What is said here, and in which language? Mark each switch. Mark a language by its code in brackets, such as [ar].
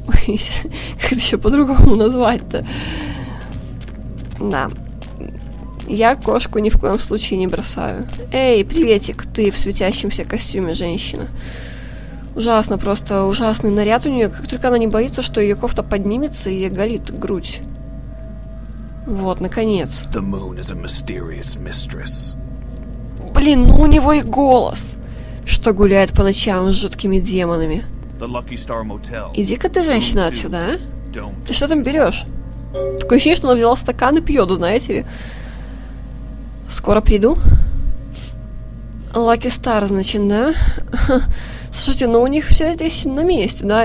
[ru] Как это ещё по-другому назвать-то? Да. Я кошку ни в коем случае не бросаю. Эй, приветик, ты в светящемся костюме женщина. Ужасно, просто ужасный наряд у нее. Как только она не боится, что ее кофта поднимется и оголит грудь. Вот, наконец. [en] The moon is a mysterious mistress. [ru] Блин, ну у него и голос. Что гуляет по ночам с жуткими демонами. [en] The Lucky Star Motel. [ru] Иди-ка ты, женщина, отсюда, а? Ты что там берешь? Такое ощущение, что она взяла стакан и пьет, знаете ли. Скоро приду. Lucky Star, значит, да? Слушайте, ну у них все здесь на месте, да?